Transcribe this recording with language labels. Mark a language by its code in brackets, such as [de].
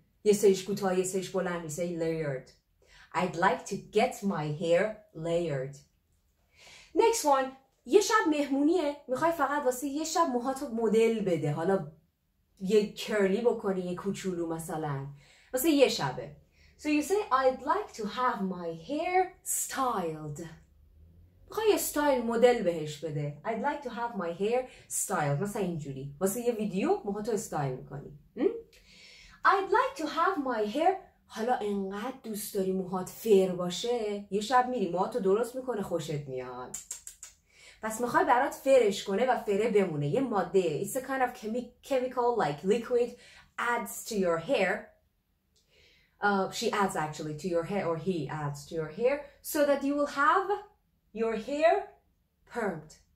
[fa] یه سهش کوتاه، یه سهش بلند، یه سهش layered. [en] I'd like to get my hair layered. Next one. [fa] یه شب مهمونیه. میخوای فقط واسه یه شب موهاتو مدل بده. حالا یه کرلی بکنی، یه کوچولو مثلا. واسه یه شبه. [en] So you say, I'd like to have my hair styled. [fa] میخوای یه style مدل بهش بده. [en] I'd like to have my hair styled. [fa] مثلا اینجوری. واسه یه ویدیو موهاتو style میکنی. [en] I'd like to have my hair. [fa] حالا اینقدر دوست داری موهات فر باشه، یه شب میری موهاتو درست میکنه خوشت میاد. پس میخوای برات فرش کنه و فره بمونه. یه ماده. [en] It's a kind of chemical like liquid adds to your hair. She adds actually to your hair, or he adds to your hair, so that you will have your hair permed.